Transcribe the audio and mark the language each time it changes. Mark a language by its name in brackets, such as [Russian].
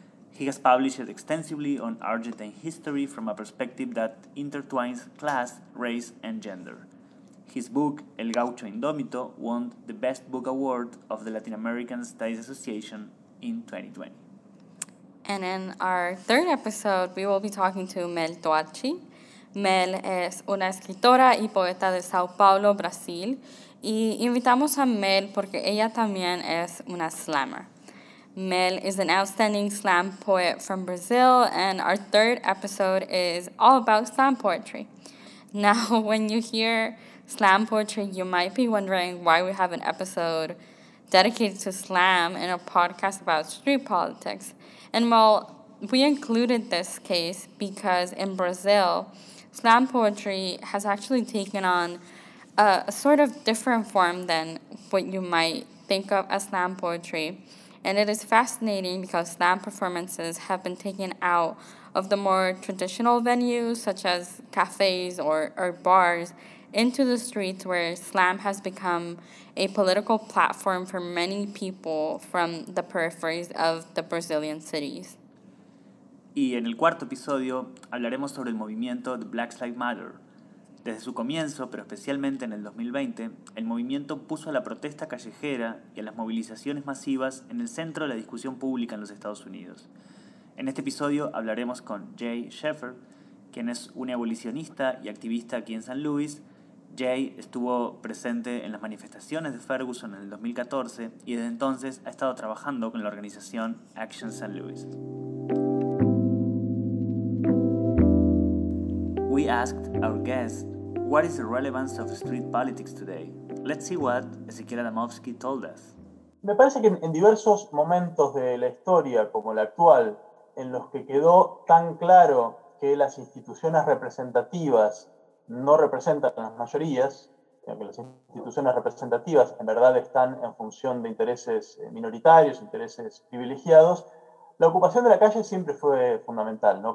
[English] He has published extensively on Argentine history from a perspective that intertwines class, race, and gender. His book, El Gaucho Indómito, won the Best Book Award of the Latin American Studies Association in 2020. And in our third episode, we will be talking to Mel Toachi. [Spanish] Mel es una escritora y poeta de Sao Paulo, Brasil. Y invitamos a Mel porque ella también es una slammer. [English] Mel is an outstanding slam poet from Brazil, and our third episode is all about slam poetry. Now, when you hear slam poetry, you might be wondering why we have an episode dedicated to slam in a podcast about street politics. And well, we included this case because in Brazil, slam poetry has actually taken on a sort of different form than what you might think of as slam poetry. And it is fascinating because slam performances have been taken out of the more traditional venues, such as cafes or bars, into the streets, where slam has become a political platform for many people from the peripheries of the Brazilian cities. [Spanish] Y en el cuarto episodio hablaremos sobre el movimiento de Black Lives Matter. Desde su comienzo, pero especialmente en el 2020, el movimiento puso a la protesta callejera y a las movilizaciones masivas en el centro de la discusión pública en los Estados Unidos. En este episodio hablaremos con Jay Sheffer, quien es un abolicionista y activista aquí en San Luis. Jay estuvo presente en las manifestaciones de Ferguson en el 2014 y desde entonces ha estado trabajando con la organización Action San Luis. [English] We asked our guest, what is the relevance of street politics today? Let's see what Ezequiel Adamovsky told us. [Spanish] Me parece que en diversos momentos de la historia, como la actual, en los que quedó tan claro que las instituciones representativas no representan las mayorías, que las instituciones representativas en verdad están en función de intereses minoritarios, intereses privilegiados, la ocupación de la calle siempre fue fundamental, ¿no?